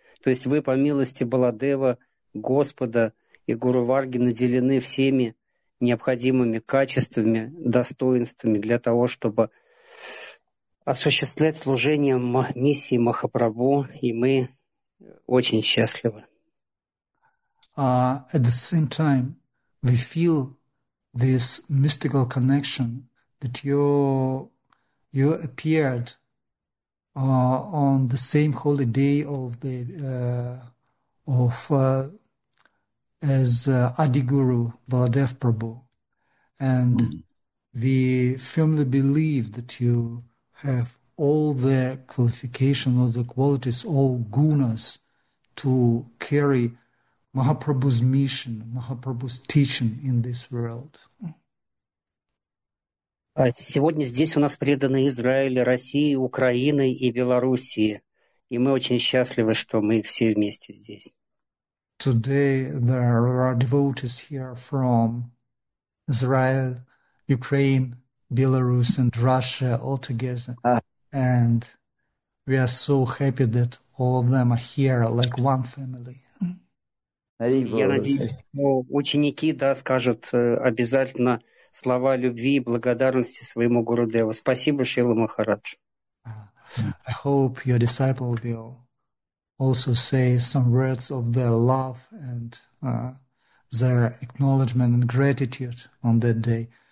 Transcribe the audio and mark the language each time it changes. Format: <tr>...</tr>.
<ru>То есть вы, по милости Баладева, Господа и Гуру Варги, наделены всеми необходимыми качествами, достоинствами для того, чтобы осуществлять служение миссии Махапрабху, и мы очень счастливы.</ru> <en>At the same time, we feel this mystical connection that you appeared on the same holy day of the of as Adi Guru Baladev Prabhu, and we firmly believe that you have all the qualifications, all the qualities, all gunas to carry Mahaprabhu's mission, Mahaprabhu's teaching in this world.</en> <ru>Сегодня здесь у нас преданы Израиль, Россия, Украина и Белоруссия. И мы очень счастливы, что мы все вместе здесь.</ru> <en>Today there are devotees here from Israel, Ukraine, Belarus, and Russia all together. And we are so happy that all of them are here like one family.</en> <ru>Я надеюсь, что ученики, да, скажут обязательно слова любви и благодарности своему Гурудеву. Спасибо, Шрила Махарадж.</ru> <en>I hope your disciple will also say some words of their love and their acknowledgement and gratitude on that day.</en>